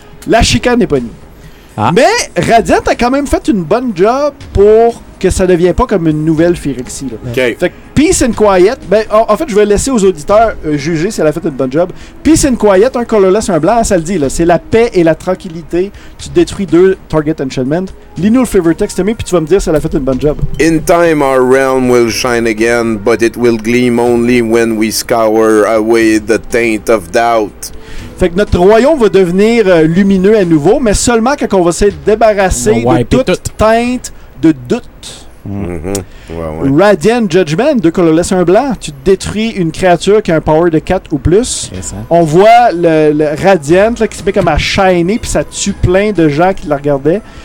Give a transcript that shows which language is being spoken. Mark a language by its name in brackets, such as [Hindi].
[French] La chicane n'est pas née. Mais Radiant a quand même fait une bonne job pour que ça ne devienne pas comme une nouvelle Phyrexie. Okay. Fait que Peace and Quiet, en fait, je vais laisser aux auditeurs juger si elle a fait une bonne job. Peace and Quiet, un colorless, un blanc, ça le dit. Là, c'est la paix et la tranquillité. Tu détruis deux Target Enchantment. Lis-nous le flavor text, Tommy, puis tu vas me dire si elle a fait une bonne job. [English] In time, our realm will shine again, but it will gleam only when we scour away the taint of doubt. [French] Fait que notre royaume va devenir lumineux à nouveau, mais seulement quand on va se débarrasser de toute teinte de doute. Mm-hmm. Ouais, ouais. Radiant Judgment, deux colorless, un blanc. Tu détruis une créature qui a un power de 4 ou plus. On voit le Radiant là, qui se met comme à shiner, puis ça tue plein de gens qui la regardaient.